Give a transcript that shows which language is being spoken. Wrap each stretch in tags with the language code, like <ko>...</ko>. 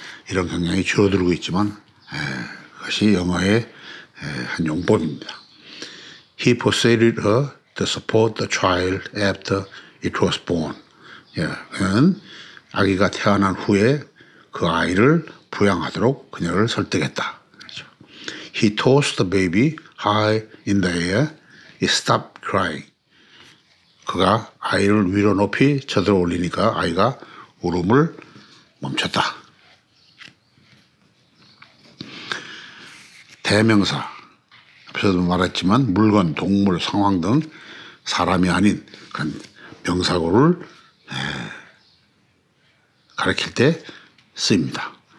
<ko>이런 경향이 줄어들고 있지만 그것이 영어의 한 용법입니다.</ko> <en>He persuaded her to support the child after it was born.</en> <ko>그는 아기가 태어난 후에 그 아이를 부양하도록 그녀를 설득했다.</ko> <en>He tossed the baby high in the air. He stopped crying.</en> <ko>그가 아이를 위로 높이 쳐들어 올리니까 아이가 울음을 멈췄다. 대명사. 앞에서도 말했지만 물건, 동물, 상황 등 사람이 아닌 그런 명사구를 가리킬 때 쓰입니다.</ko>